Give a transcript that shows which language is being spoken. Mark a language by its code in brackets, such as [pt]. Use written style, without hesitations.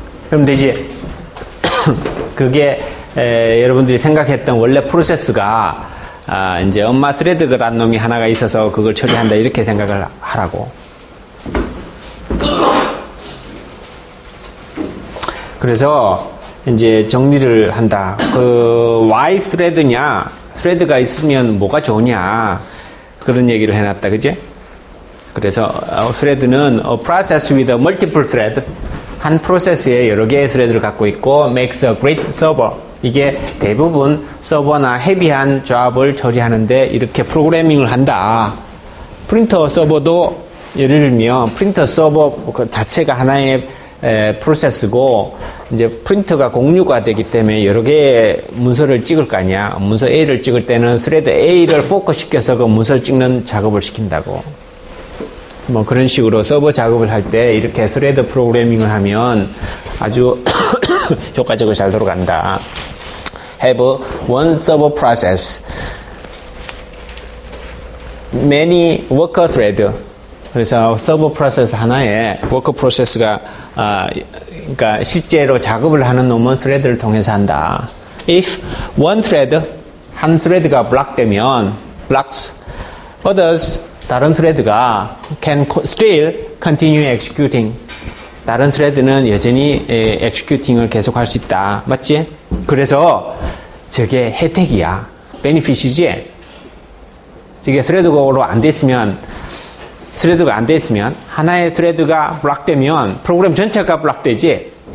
[ko] 그럼 되지. 그게 여러분들이 생각했던 원래 프로세스가 이제 엄마 스레드란 놈이 하나가 있어서 그걸 처리한다 이렇게 생각을 하라고. 그래서 이제 정리를 한다. 그 why 스레드냐, 스레드가 있으면 뭐가 좋냐 그런 얘기를 해놨다, 그지? 그래서 스레드는 [en] a process with a multiple thread, [ko] 한 프로세스에 여러 개의 스레드를 갖고 있고 [en] makes a great server. [ko] 이게 대부분 서버나 헤비한 조합을 처리하는데 이렇게 프로그래밍을 한다. 프린터 서버도 예를 들면 프린터 서버 자체가 하나의 프로세스고 이제 프린터가 공유가 되기 때문에 여러 개의 문서를 찍을 거 아니야. 문서 A를 찍을 때는 스레드 A를 포커 시켜서 그 문서를 찍는 작업을 시킨다고. 뭐 그런 식으로 서버 작업을 할 때 이렇게 스레드 프로그래밍을 하면 아주 효과적으로 잘 돌아간다. [en] Have one server process, many worker thread. [ko] 그래서 서버 프로세스 하나에 워커 프로세스가 그러니까 실제로 작업을 하는 놈은 스레드를 통해서 한다. [en] If one thread, [ko] 한 스레드가 [en] block 되면 blocks others, [ko] 다른 스레드가 [en] can still continue executing. [ko] 다른 스레드는 여전히 executing을 계속할 수 있다. 맞지? 그래서 저게 혜택이야. benefit이지? 저게 스레드고로 안 됐으면 스레드가 안 됐으면 하나의 스레드가 블록되면 프로그램 전체가 블록되지.